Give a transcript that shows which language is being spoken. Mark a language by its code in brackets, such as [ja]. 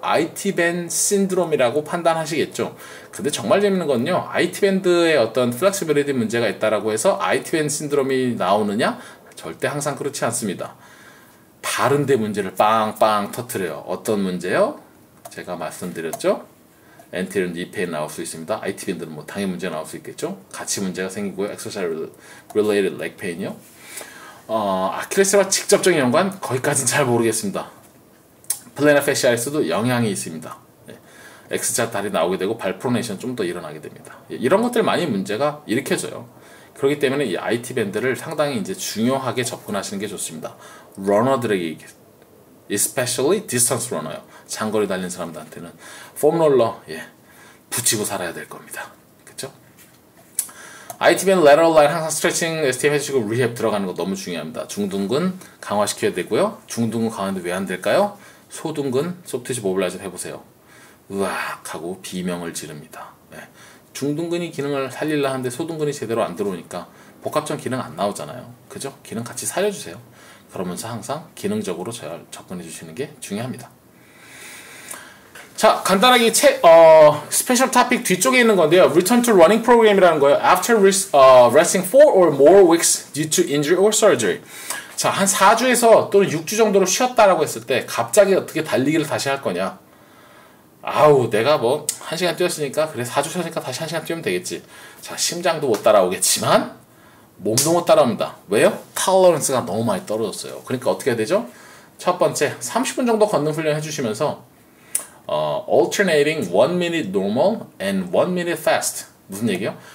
[ko] IT밴드 신드롬이라고 판단하시겠죠. 근데 정말 재밌는 건요, IT밴드에 어떤 플렉시빌리티 문제가 있다라고 해서 IT밴드 신드롬이 나오느냐? 절대 항상 그렇지 않습니다. 다른데 문제를 빵빵 터트려요. 어떤 문제요? 제가 말씀드렸죠? NTL은 리페인 나올 수 있습니다. IT밴드는 뭐 당연히 문제 나올 수 있겠죠? 같이 문제가 생기고요. [en] Exercise related leg pain이요. [ko] 아킬레스와 직접적인 연관 거기까지는 잘 모르겠습니다. 플레나 페시아에서도 영향이 있습니다. 예. X자 다리 나오게 되고 발 프로네이션 좀 더 일어나게 됩니다. 예. 이런 것들 많이 문제가 일으켜져요. 그렇기 때문에 이 IT 밴드를 상당히 이제 중요하게 접근하시는 게 좋습니다. 러너들에게 [en] especially distance runner요. [ko] 장거리 달린 사람들한테는 폼 롤러 예. 붙이고 살아야 될 겁니다. IT밴드 lateral line 항상 스트레칭 STM 해주시고 rehab 들어가는 거 너무 중요합니다. 중둔근 강화시켜야 되고요. 중둔근 강화하는데 왜 안 될까요? 소둔근 소프트시 모빌라이저 해보세요. 으악 하고 비명을 지릅니다. 네. 중둔근이 기능을 살릴라 하는데 소둔근이 제대로 안 들어오니까 복합적 기능 안 나오잖아요. 그죠? 기능 같이 살려주세요. 그러면서 항상 기능적으로 접근해주시는 게 중요합니다. 자, 간단하게 스페셜 토픽 뒤쪽에 있는 건데요. [en] Return to running program이라는 [ko] 거예요. [en] After resting 4 or more weeks due to injury or surgery. [ko] 자, 한 4주에서 또는 6주 정도로 쉬었다라고 했을 때 갑자기 어떻게 달리기를 다시 할 거냐? 아우, 내가 뭐 1시간 뛰었으니까 그래 4주 쉬었으니까 다시 1시간 뛰면 되겠지. 자, 심장도 못 따라오겠지만 몸도 못 따라옵니다. 왜요? 탈러런스가 너무 많이 떨어졌어요. 그러니까 어떻게 해야 되죠? 첫 번째, 30분 정도 걷는 훈련 해주시면서 [en] alternating 1 minute normal and 1 minute fast. [ko] 무슨 얘기예요?